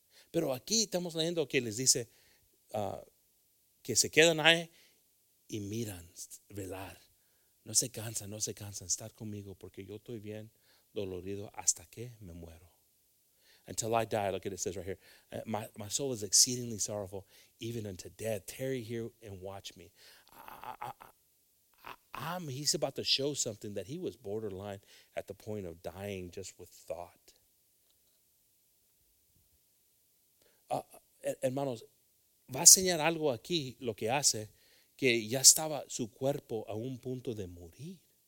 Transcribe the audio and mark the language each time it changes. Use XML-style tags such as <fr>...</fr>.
<es>Pero aquí estamos leyendo que les dice que se quedan ahí y miran, velar. No se cansan estar conmigo porque yo estoy bien dolorido hasta que me muero.</es> <en>Until I die, look at what it says right here. My soul is exceedingly sorrowful, even unto death. Tarry here and watch me. He's about to show something that he was borderline at the point of dying just with thought.</en> <es>Hermanos, va a enseñar algo aquí, lo que hace, que ya estaba su cuerpo a un punto de morir.</es>